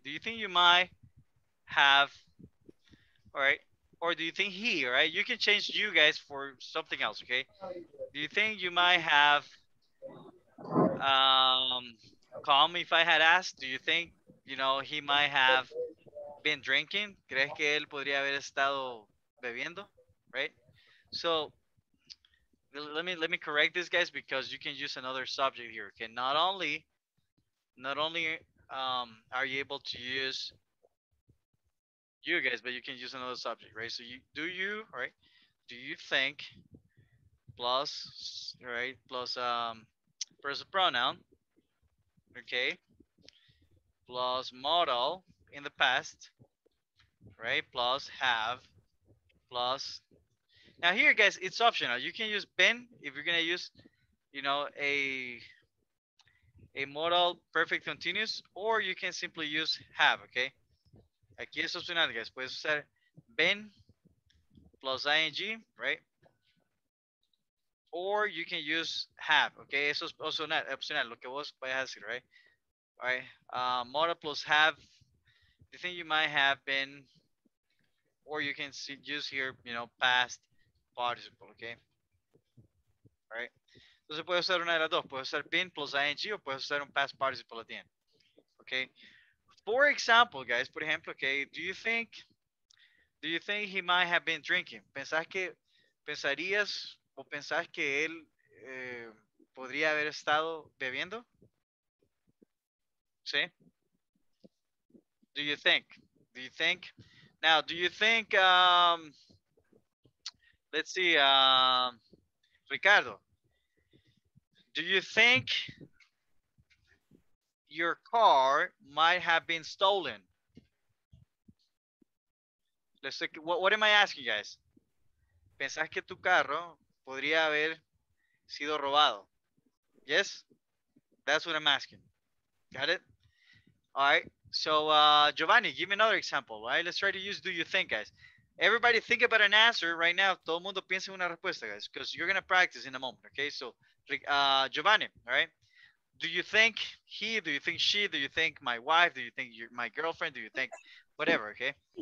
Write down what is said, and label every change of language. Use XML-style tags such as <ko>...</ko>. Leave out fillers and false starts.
<en>Do you think you might have, all right? Or do you think he, all right? You can change you, guys, for something else, okay? Do you think you might have called me if I had asked? Do you think, you know, he might have been drinking?</en> <es>¿Crees que él podría haber estado bebiendo, right?</es> <en>So let me correct this, guys, because you can use another subject here, okay? Not only are you able to use you, guys, but you can use another subject, right? So do you think plus, right, plus first pronoun, okay, plus model in the past, right, plus have, plus, now here, guys, it's optional. You can use been if you're gonna use, you know, a modal perfect continuous, or you can simply use have, okay?</en> <es>Aquí es opcional, guys. Puedes usar been plus ing, right?</es> <en>Or you can use have, okay?</en> <es>Eso es opcional, lo que vos vayas a decir, right?</es> <en>All right, modal plus have, the thing you might have been, or you can use here, you know, past participle, okay? All right.</en> <es>Entonces puede usar una de las dos, puede usar been plus ing o puede usar un past participle</es> <en>at the end.</en> <es>Okay.</es> <en>For example, guys,</en> <es>por ejemplo,</es> <en>okay, do you think he might have been drinking?</en> <es>¿Pensás que él podría haber estado bebiendo? ¿Sí?</es> <en>Do you think? Now, do you think let's see, Ricardo, do you think your car might have been stolen? Let's look, what am I asking, guys?</en> <es>¿Pensás que tu carro podría haber sido robado?</es> <en>Yes? That's what I'm asking. Got it? All right. So, Giovanni, give me another example, right? Let's try to use do you think, guys. Everybody think about an answer right now.</en> <es>Todo el mundo piensa en una respuesta,</es> <en>guys, because you're going to practice in a moment, okay? So, Giovanni, all right? Do you think he, do you think she, do you think my wife, do you think you're my girlfriend, do you think whatever, okay?</en>